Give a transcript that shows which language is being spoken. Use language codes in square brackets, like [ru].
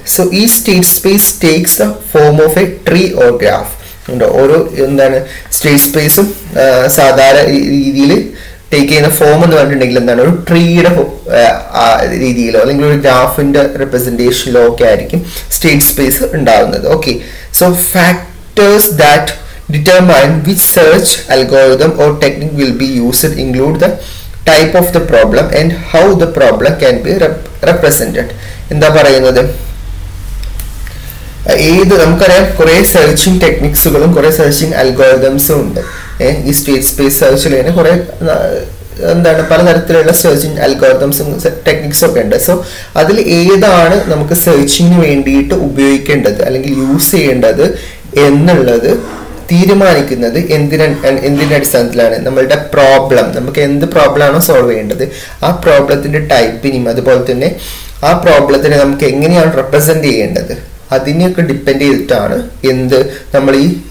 [en] so ഈ state space takes the form of a tree or graph [ml] ഉണ്ടോ. ഓരോ എന്താണ് സ്റ്റേറ്റ് സ്പേസും സാധാരണ രീതിയിൽ ടേക്ക് ചെയ്യുന്ന ഫോം എന്ന് പറഞ്ഞിട്ടുണ്ടെങ്കിൽ എന്താണ് ഒരു ട്രീയുടെ രീതിയിലോ അല്ലെങ്കിൽ ഒരു ഗ്രാഫിന്റെ റെപ്രസെന്റേഷനിലോ ഒക്കെ ആയിരിക്കും സ്റ്റേറ്റ് സ്പേസ് ഉണ്ടാകുന്നത്. [en] Okay, so fact factors that determine which search algorithm or technique will be used include the type of the problem and how the problem can be represented. [ml] എന്താ പറയുന്നത്, ഏത് നമുക്കറിയാം കുറെ സെർച്ചിങ് ടെക്നിക്സുകളും കുറെ സെർച്ചിങ് അൽഗോറിതംസും ഉണ്ട്. ഈ state space സെർച്ചിൽ തന്നെ കുറെ എന്താണ് പലതരത്തിലുള്ള സെർച്ചിങ് അൽഗോറിതംസും ടെക്നിക്സും ഒക്കെ ഉണ്ട്. സോ അതിൽ ഏതാണ് നമുക്ക് സെർച്ചിങ്ങിന് വേണ്ടിയിട്ട് ഉപയോഗിക്കേണ്ടത് അല്ലെങ്കിൽ യൂസ് ചെയ്യേണ്ടത് എന്നുള്ളത് തീരുമാനിക്കുന്നത് എന്തിനെ അടിസ്ഥാനത്തിലാണ്, നമ്മളുടെ പ്രോബ്ലം, നമുക്ക് എന്ത് പ്രോബ്ലം ആണോ സോൾവ് ചെയ്യേണ്ടത് ആ പ്രോബ്ലത്തിന്റെ ടൈപ്പിനെയും അതുപോലെ തന്നെ ആ പ്രോബ്ലത്തിനെ നമുക്ക് എങ്ങനെയാണ് റെപ്രസെന്റ് ചെയ്യേണ്ടത് അതിനെയൊക്കെ ഡിപ്പെൻഡ് ചെയ്തിട്ടാണ് എന്ത് നമ്മൾ ഈ